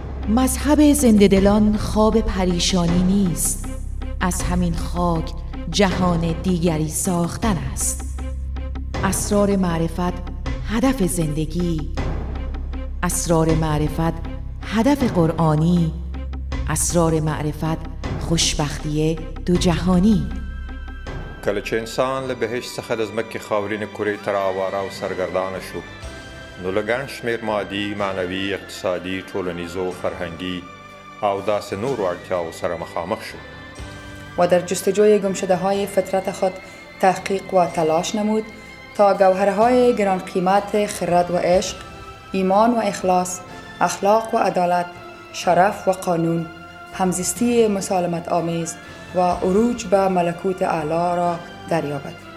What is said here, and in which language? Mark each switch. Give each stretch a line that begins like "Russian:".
Persian: مذهب زنده دلان خواب پریشانی نیست، از همین خاک جهان دیگری ساختن است. اسرار معرفت، هدف زندگی. اسرار معرفت، هدف قرآنی. اسرار معرفت، خوشبختی دو جهانی.
Pashto: کله چه انسان له بهشت څخه د ځمکې خاورین کوری تر آواره او سرګردانه شو، نو له ګڼ شمېر مادي، معنوي، اقتصادي، ټولنیزو، فرهنګي او داسې نورو اړتیاو سره مخامخ شو
Persian: و در جستجوی گمشده های فطرت خود تحقیق و تلاش نمود تا گوهرهای گران قیمت خرد و عشق، ایمان و اخلاص، اخلاق و عدالت، شرف و قانون، همزیستی مسالمت آمیز و عروج به ملکوت اعلی را دریابد.